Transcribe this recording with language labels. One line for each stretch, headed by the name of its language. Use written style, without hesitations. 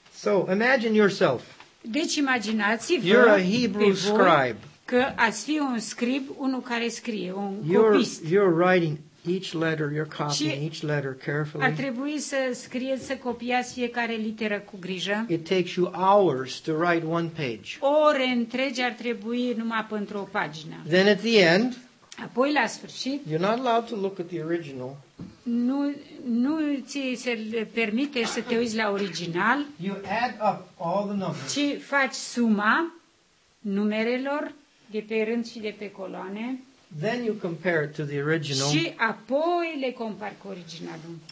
English: So imagine yourself.
Romanian: Deci imaginați-vă.
English: You're a Hebrew scribe.
Romanian: Că ați fi un scrib, unul care scrie, un copist.
English: You're writing each letter, you're copying each letter carefully.
Romanian: Ar trebui să scrieți, să copiați fiecare literă cu grijă.
English: It takes you hours to write one page.
Romanian: Ore întregi ar trebui numai pentru o pagină.
English: Then at the end,
Romanian: apoi la sfârșit,
English: you're not allowed to look at the original.
Romanian: Nu ți se permite să te uiți la original.
English: You add up all the numbers.
Romanian: Ci faci suma numerelor de pe rând și de pe coloane.
English: Then you compare it to the original.
Romanian: Și apoi le compar cu originalul.